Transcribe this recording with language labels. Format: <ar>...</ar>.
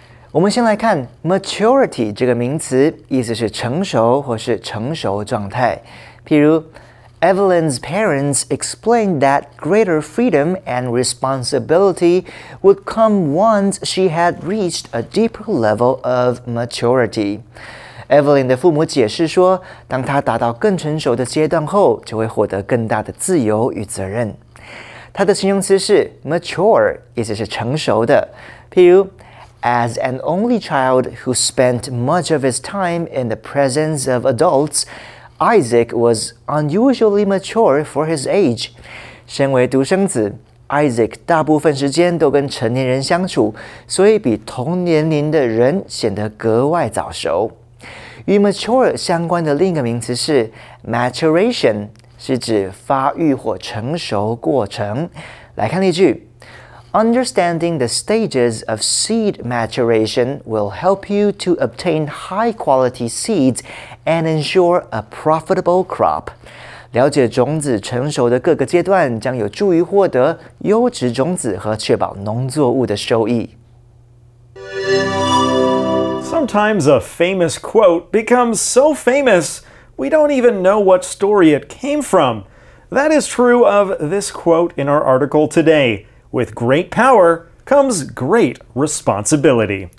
<zh>我们先来看 maturity 这个名词，意思是成熟或是成熟状态。</zh> <en>譬如 Evelyn's parents explained that greater freedom and responsibility would come once she had reached a deeper level of maturity.</en> <zh>Evelyn 的父母解释说，当她达到更成熟的阶段后，就会获得更大的自由与责任。她的形容词是 mature， 意思是成熟的。</zh> <en>譬如 As an only child who spent much of his time in the presence of adults,Isaac was unusually mature for his age.</en> <zh>身为独生子， Isaac 大部分时间都跟成年人相处，所以比同年龄的人显得格外早熟。与 mature 相关的另一个名词是 maturation， 是指发育或成熟过程。来看例句。</zh> <en>Understanding the stages of seed maturation will help you to obtain high-quality seeds and ensure a profitable crop.</en> <zh>了解种子成熟的各个阶段将有助于获得优质种子和确保农作物的收益。</zh> <en>Sometimes a famous quote becomes so famous, we don't even know what story it came from. That is true of this quote in our article today. With great power comes great responsibility.</en>